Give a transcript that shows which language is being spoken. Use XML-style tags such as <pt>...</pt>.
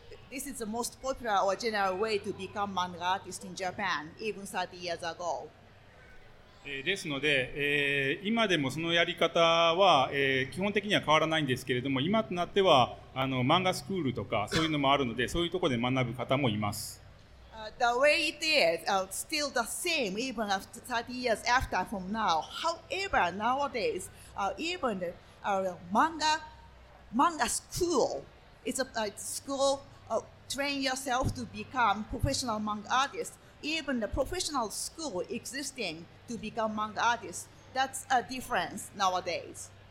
<en>This is the most popular or general way to become manga artist in Japan, even 30 years ago.</en> <ja>ですので、今でもそのやり方は、基本的には変わらないんですけれども、今となってはあの漫画スクールとかそういうのもあるので、そういうところで学ぶ方もいます。</ja> <en>The way it is, still the same even after 30 years after from now. However, nowadays, even manga school, it's a school. Train yourself to become professional manga artist. Even the professional school existing to become manga artist, that's a difference nowadays.</en>